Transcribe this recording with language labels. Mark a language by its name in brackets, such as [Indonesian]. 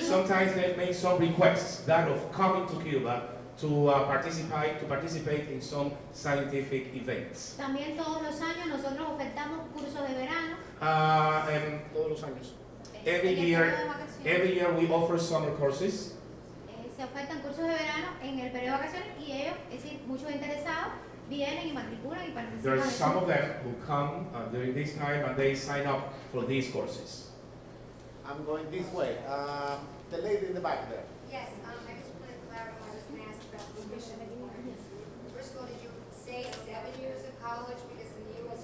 [English] Sometimes they make some requests that of coming to Cuba to participate in some scientific events. [Spanish] También todos los años nosotros ofertamos cursos de verano. Todos los años. [English] Every year we offer summer courses. [Spanish] Se ofertan cursos de verano en el periodo de vacaciones y ellos, es decir, muchos interesados vienen y matriculan y participan. [English] There are some of them who come during this time and they sign up for these courses. I'm going this way. The lady in the back there. Yes, I just wanted to clarify. I was going to ask about the mission anymore. First of all, did you say 7 years of college? Because in the U.S.